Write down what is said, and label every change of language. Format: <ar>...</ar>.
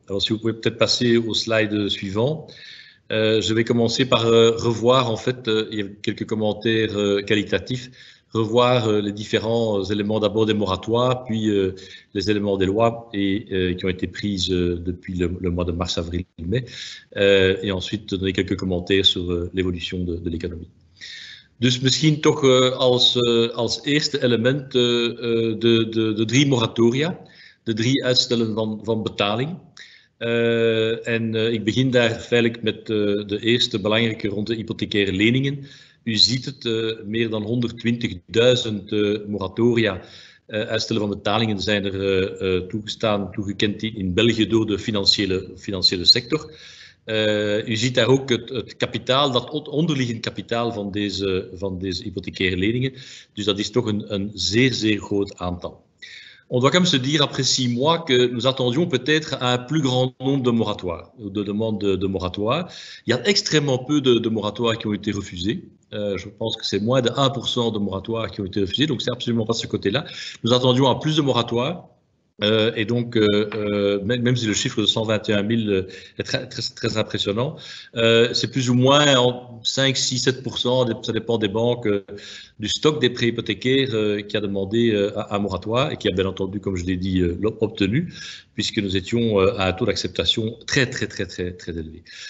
<fr>Alors, si vous pouvez peut-être passer au slide suivant. Je vais commencer par revoir, en fait, il y a quelques commentaires qualitatifs. Revoir les différents éléments, d'abord des moratoires, puis les éléments des lois et qui ont été prises depuis le mois de mars, avril, mai, et ensuite donner quelques commentaires sur l'évolution de l'économie.</fr> <nl>Dus misschien toch als eerste element de drie moratoria, de drie uitstellen van betaling. Ik begin daar feitelijk met de eerste belangrijke rond de hypothecaire leningen. U ziet het, meer dan 120.000 moratoria, uitstellen van betalingen zijn er toegestaan, toegekend in België door de financiële sector. U ziet daar ook het kapitaal, dat onderliggend kapitaal van deze hypothecaire leningen. Dus dat is toch een zeer, zeer groot aantal.</nl> <fr>On doit quand même se dire après six mois que nous attendions peut-être à un plus grand nombre de moratoires, de demandes de moratoires. Il y a extrêmement peu de moratoires qui ont été refusés. Je pense que c'est moins de 1% de moratoires qui ont été refusés, donc c'est absolument pas ce côté-là. Nous attendions à plus de moratoires. Et donc, même si le chiffre de 121 000 est très, très, très impressionnant, c'est plus ou moins 5, 6, 7%, ça dépend des banques, du stock des prêts hypothécaires qui a demandé un moratoire et qui a bien entendu, comme je l'ai dit, obtenu, puisque nous étions à un taux d'acceptation très, très, très, très, très élevé.</fr>